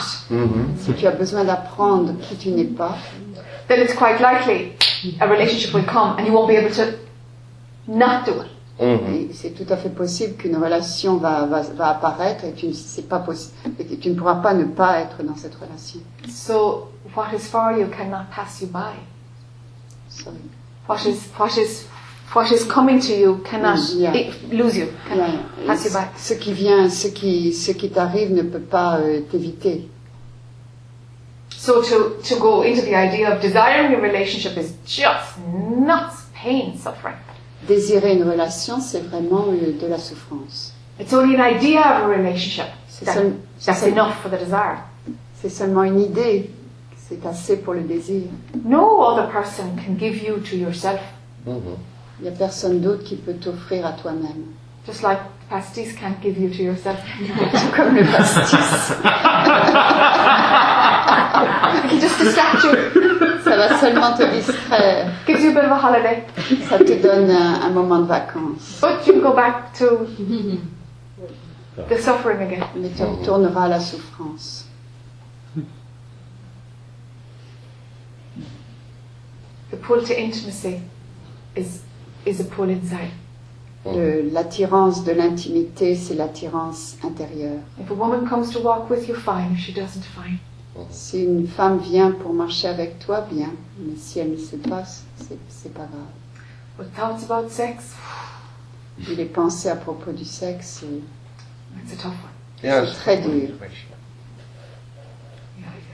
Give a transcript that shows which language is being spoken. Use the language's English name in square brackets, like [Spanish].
[French] si tu as besoin d'apprendre qui tu n'es pas, [English] then it's quite likely a relationship will come and you won't be able to not do it. [French] Et c'est tout à fait possible qu'une relation va apparaître et tu ne pourras pas ne pas être dans cette relation. [English] So what is for you cannot pass you by. What is coming to you cannot lose you. Pass you by. [French] Ce qui vient, ce qui t'arrive ne peut pas t'éviter. [English] So to go into the idea of desiring a relationship is just nuts, pain, suffering. [French] Désirer une relation, c'est vraiment de la souffrance. [English] It's only an idea of a relationship. That's enough for the desire. [French] C'est seulement une idée. C'est assez pour le désir. [English] No other person can give you to yourself. [French] Il y a personne d'autre qui peut t'offrir à toi-même. [English] Just like pastis can't give you to yourself. [French] Tout comme le pastis. [English] He just distracts you. [French] Ça va seulement te distraire. [English] Gives you a bit of a holiday. [French] Ça te donne un moment de vacances. [English] But you go back to the suffering again. [French] Mais tu retourneras à la souffrance. [English] The pull to intimacy is a pull inside. [French] L'attirance de l'intimité, c'est l'attirance intérieure. [English] If a woman comes to walk with you, fine. If she doesn't, fine. [French] Si une femme vient pour marcher avec toi, bien. Mais si elle ne se passe, c'est pas grave. [English] But thoughts about sex? [French] Et les pensées à propos du sexe, c'est... [English] It's a tough one. Yeah, [French] c'est très dur. [English] Yeah.